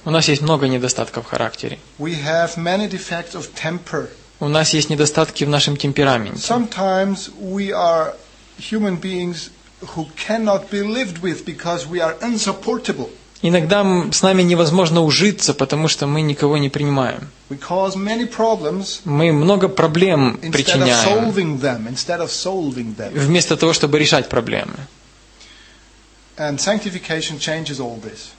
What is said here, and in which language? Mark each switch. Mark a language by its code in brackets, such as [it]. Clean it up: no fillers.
[ru] У нас есть много недостатков в характере. [en] We have many defects of temper. [ru] У нас есть недостатки в нашем темпераменте. [en] Sometimes we are human beings who cannot be lived with because we are insupportable. [ru] Иногда с нами невозможно ужиться, потому что мы никого не принимаем. [en] We cause many problems. [ru] Мы много проблем причиняем. [en] Instead of solving them, instead of solving them. [ru] Вместо того, чтобы решать проблемы. [en] And sanctification changes all this.